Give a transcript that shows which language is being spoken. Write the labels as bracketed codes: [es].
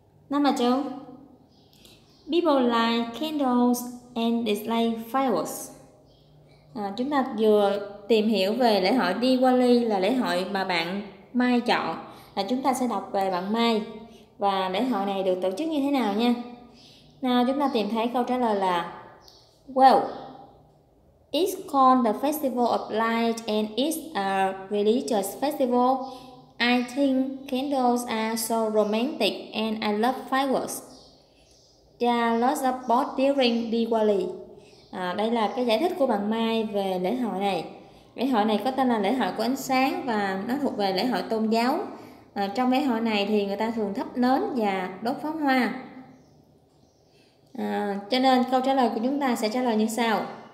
[en] Number 2. People like candles and dislike fireworks. [vi] Chúng ta vừa tìm hiểu về lễ hội Diwali là lễ hội mà bạn Mai chọn, là chúng ta sẽ đọc về bạn Mai và lễ hội này được tổ chức như thế nào nha. Nào chúng ta tìm thấy câu trả lời là [en] Well, it's called the Festival of Light and it's a religious festival. I think candles are so romantic and I love fireworks. There are lots of both during Diwali. [vi] Đây là cái giải thích của bạn Mai về lễ hội này. Lễ hội này có tên là lễ hội của ánh sáng và nó thuộc về lễ hội tôn giáo. Trong lễ hội này thì người ta thường thắp nến và đốt pháo hoa. Cho nên câu trả lời của chúng ta sẽ trả lời như sau.